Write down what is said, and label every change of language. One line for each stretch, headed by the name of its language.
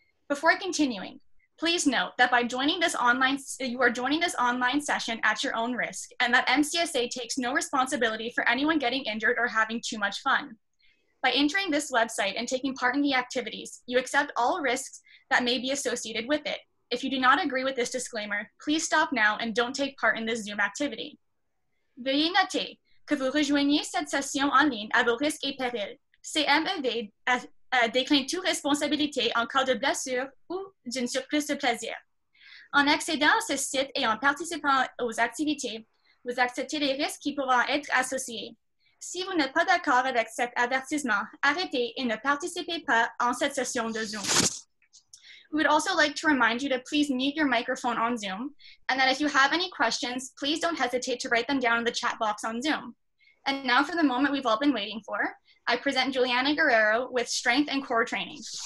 English: Before continuing, please note that you are joining this online session at your own risk, and that MCSA takes no responsibility for anyone getting injured or having too much fun. By entering this website and taking part in the activities, you accept all risks that may be associated with it. If you do not agree with this disclaimer, please stop now and don't take part in this Zoom activity.
French: Veuillez noter que vous rejoignez cette session en ligne à vos risques et périls. CMEV décline toute responsabilité en cas de blessure ou d'une surprise de plaisir. En accédant à ce site et en participant aux activités, vous acceptez les risques qui pourront être associés. Si vous n'êtes pas d'accord avec cet avertissement, arrêtez et ne participez pas en cette session de Zoom.
English: We would also like to remind you to please mute your microphone on Zoom, and that if you have any questions, please don't hesitate to write them down in the chat box on Zoom. And now for the moment we've all been waiting for, I present Juliana Guerrero with strength and core training.